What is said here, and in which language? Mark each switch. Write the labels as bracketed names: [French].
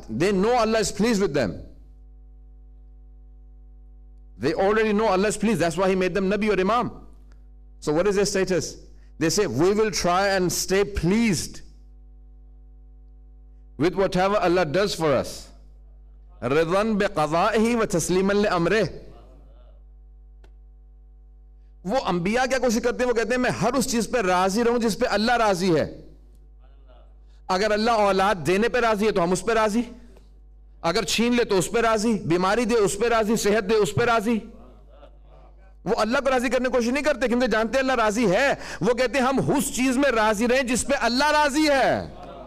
[English] They know Allah is pleased with them. They already know Allah is pleased. That's why He made them Nabi or Imam. So what is their status? They say, we will try and stay pleased with whatever Allah does for us. [Arabic] رضاً بقضائه وتسليماً لأمره. [Urdu] وہ انبیاء کیا کوشش کرتے ہیں؟ وہ کہتے ہیں میں ہر اس چیز پہ راضی رہوں جس پہ اللہ راضی ہے. اگر اللہ اولاد دینے پہ راضی ہے تو ہم اس پہ راضی، اگر چھین لے تو اس پہ راضی، بیماری دے اس پہ راضی، صحت دے اس پہ راضی. وہ اللہ کو راضی کرنے کی کوشش نہیں کرتے کیونکہ جانتے ہیں اللہ راضی ہے. وہ کہتے ہیں ہم اس چیز میں راضی رہیں جس پہ اللہ راضی ہے.